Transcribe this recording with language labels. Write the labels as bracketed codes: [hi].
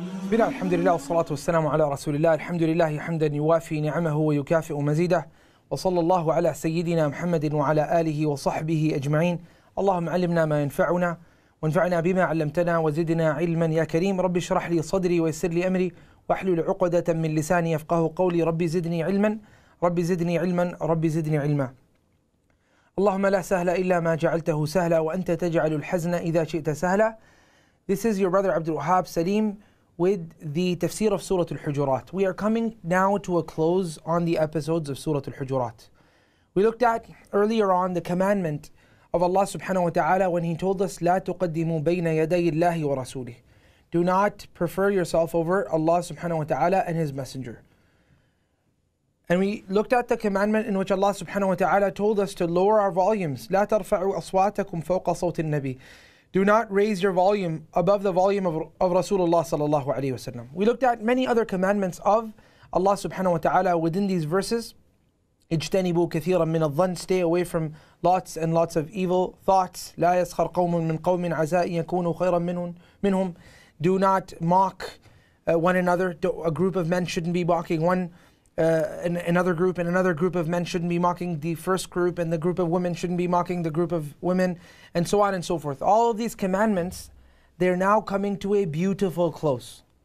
[ar] بالله الحمد لله والصلاة والسلام على رسول الله الحمد لله حمدا يوافي نعمه ويكافئ مزيده وصلى الله على سيدنا محمد وعلى آله وصحبه أجمعين اللهم علمنا ما ينفعنا وانفعنا بما علمتنا وزدنا علما يا كريم ربي اشرح لي صدري ويسر لي أمري واحلل عقدة من لساني يفقه قولي ربي زدني علما ربي زدني علما ربي زدني علما اللهم لا سهل إلا ما جعلته سهلا وأنت تجعل الحزن إذا شئت سهلا. [en] This is your brother Abdul Wahab Saleem with the Tafsir of Surah al-Hujurat. We are coming now to a close on the episodes of Surah al-Hujurat. We looked at earlier on the commandment of Allah subhanahu wa ta'ala when He told us, [ar] لَا تُقَدِّمُوا بَيْنَ يَدَيِ اللَّهِ وَرَسُولِهِ. [en] Do not prefer yourself over Allah subhanahu wa ta'ala and His Messenger. And we looked at the commandment in which Allah subhanahu wa ta'ala told us to lower our volumes. [ar] لَا تَرْفَعُوا أَصْوَاتَكُمْ فَوْقَ صَوْتِ النَّبِيِّ. [en] Do not raise your volume above the volume of Rasulullah sallallahu alayhi wasallam. We looked at many other commandments of Allah subhanahu wa ta'ala within these verses. [ar] اجتنبوا كثيرا من الظن. [en] Stay away from lots and lots of evil thoughts. [ar] لا يسخر قوم من قوم عزاء يكونوا خيرا منهم. [en] Do not mock one another. A group of men shouldn't be mocking one. Another group and another group of men shouldn't be mocking the first group, and the group of women shouldn't be mocking the group of women, and so on and so forth. All of these commandments, they're now coming to a beautiful close.